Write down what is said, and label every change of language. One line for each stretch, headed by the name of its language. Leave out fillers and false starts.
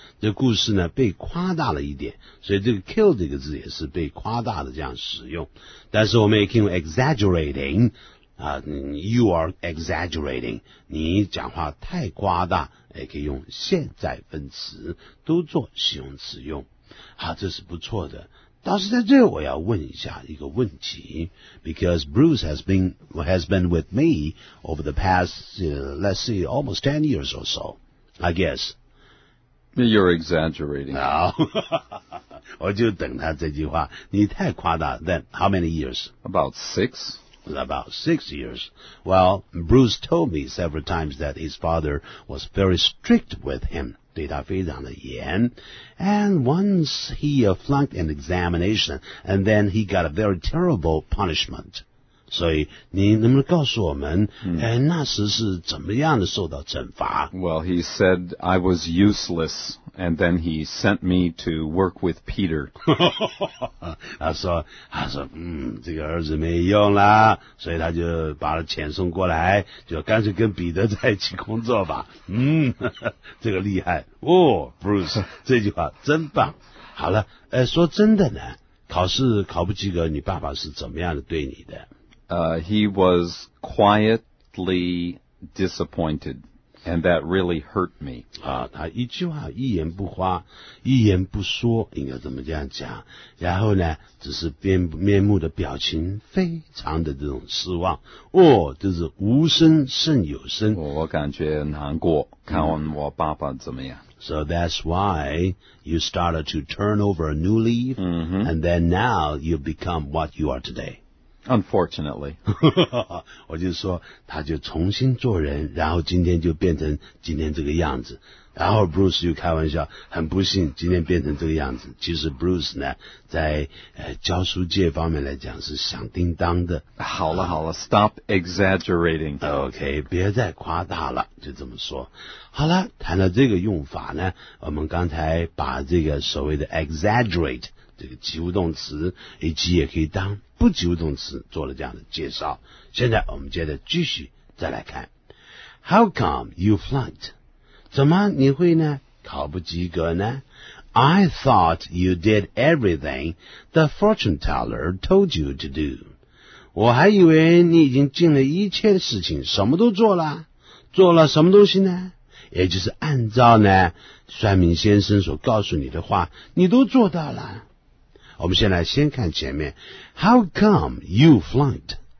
Chinese: 这故事呢被夸大了一点，所以这个 kill 这个字也是被夸大的这样使用。但是我们也可以用 exaggerating,
English: you are exaggerating.
Chinese: 你讲话太夸大，也可以用现在分词，都做形容词用。好，这是不错的。但是在这我要问一下一个问题
English: ,because Bruce has been with me over the past, let's see, almost 10 years or so, I guess. You're exaggerating.
Chinese: 好、oh, 我就等他这句话，你太夸大。
English: Then, how many years? About six years. Well, Bruce told me several times that his father was very strict with him.
Chinese: 对他非常的严
English: and once he flunked an examination, and then he got a very terrible punishment.
Chinese: 所以你能不能告诉我们、那时是怎么样的受到惩罚？
English: Well, he said I was useless, and then he sent me to work with Peter.
Chinese: 他说、这个儿子没用啦，所以他就把他遣送过来，就干脆跟彼得在一起工作吧。这个厉害哦 ，Bruce， 这句话真棒。好了，说真的呢，考试考不及格，你爸爸是怎么样的对你的？
English: He was quietly disappointed, and that really hurt me.
Chinese: 啊，他一句话一言不发，一言不说，应该怎么这样讲？然后呢，只是面目的表情非常的这种失望。哦，就是无声胜有声。我感觉难过，看我爸爸怎么样。
English: So that's why you started to turn over a new leaf, and then now you've become what you are today. Unfortunately.
Chinese: 我就说他就重新做人，然后今天就变成今天这个样子。然后 Bruce 就开玩笑，很不幸今天变成这个样子。其实 Bruce 呢在、教书界方面来讲是响叮当的。好了好了，
English: stop exaggerating.
Chinese: OK, 别再夸大了，就这么说。好了，谈到这个用法呢，我们刚才把这个所谓的 exaggerate 这个及物动词，以及也可以当不及物动词做了这样的介绍。现在我们接着继续再来看。
English: How come you flunked?
Chinese: 怎么你会呢考不及格呢？
English: I thought you did everything the fortune teller told you to do.
Chinese: 我还以为你已经尽了一切的事情，什么都做了。做了什么东西呢？也就是按照呢算命先生所告诉你的话，你都做到了。我们先来先看前面
English: How come you flunked?